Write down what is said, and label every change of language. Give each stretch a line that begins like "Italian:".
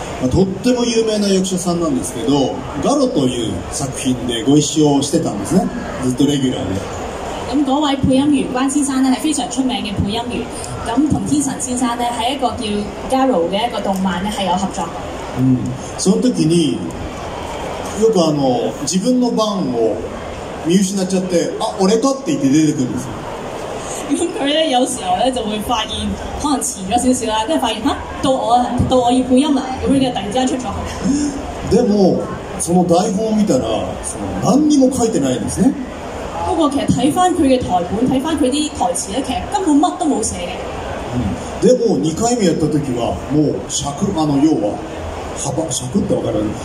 Japanese: とっても有名な役者さんなんですけど、ガロという作品でご一緒をしてたんですね。ずっとレギュラーで。
Cantonese: 咁嗰位配音員關先生咧係非常出名嘅配音員。咁同天神先生咧喺一個叫《ガロ》嘅一個動漫咧係有合作。
Japanese: 嗯，その時によく自分の番を見失っちゃって、あ、俺かって言って出てくるんですよ。
Cantonese: 咁佢咧有時候咧就會發現，可能遲咗少少啦，跟住發現嚇，到我要配音啦，咁樣嘅突然之間出咗。
Japanese: でもその台本を見たら、その何にも書いてないんですね。
Cantonese: 不過其實睇翻佢嘅台本，睇翻佢啲台詞咧，其實根本乜都冇寫嘅。
Japanese: でも二回目やった時は、もう尺要は幅尺ってわからない。